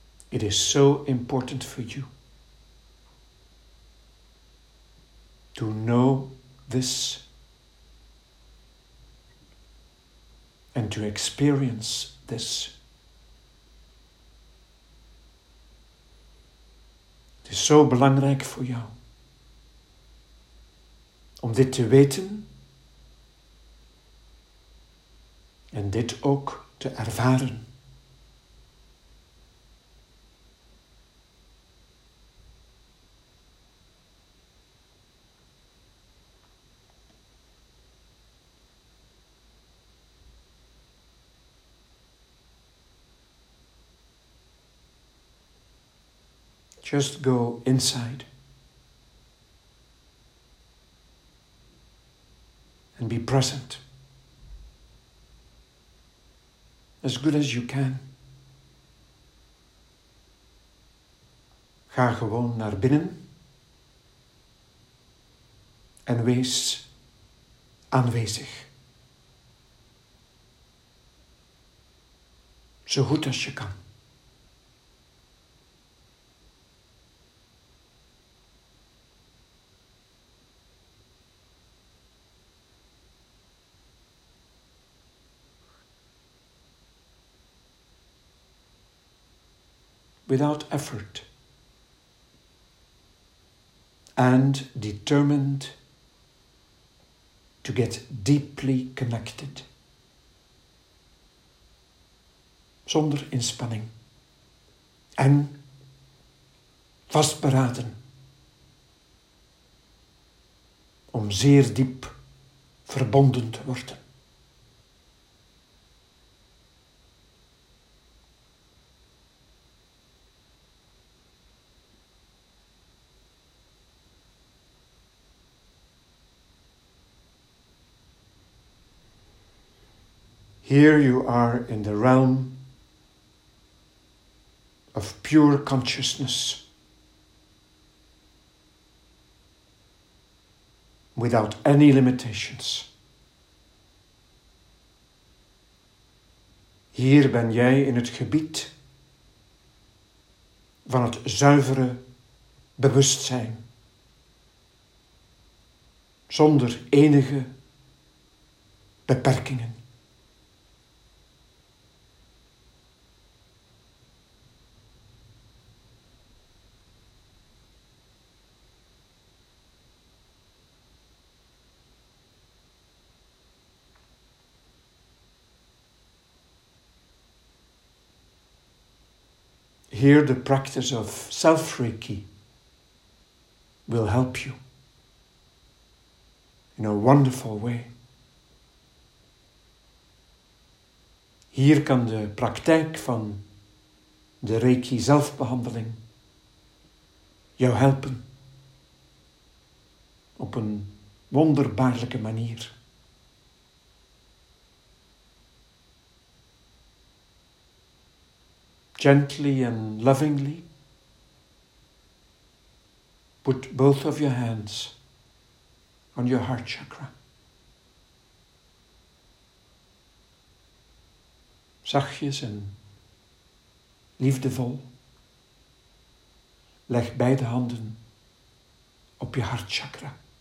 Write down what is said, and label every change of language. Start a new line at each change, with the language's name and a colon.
English: It is so important for you to know this and to experience this.
Dutch: Het is zo belangrijk voor jou om dit te weten en dit ook te ervaren.
English: Just go inside and be present as good as you can.
Dutch: Ga gewoon naar binnen en wees aanwezig. Zo goed als je kan.
English: Without effort and determined to get deeply connected.
Dutch: Zonder inspanning en vastberaden om zeer diep verbonden te worden.
English: Here you are in the realm of pure consciousness, without any limitations.
Dutch: Hier ben jij in het gebied van het zuivere bewustzijn, zonder enige beperkingen.
English: Here the practice of self-reiki will help you in a wonderful way.
Dutch: Hier kan de praktijk van de reiki zelfbehandeling jou helpen op een wonderbaarlijke manier.
English: Gently and lovingly, put both of your hands on your heart chakra.
Dutch: Zachtjes en liefdevol, leg beide handen op je hart chakra.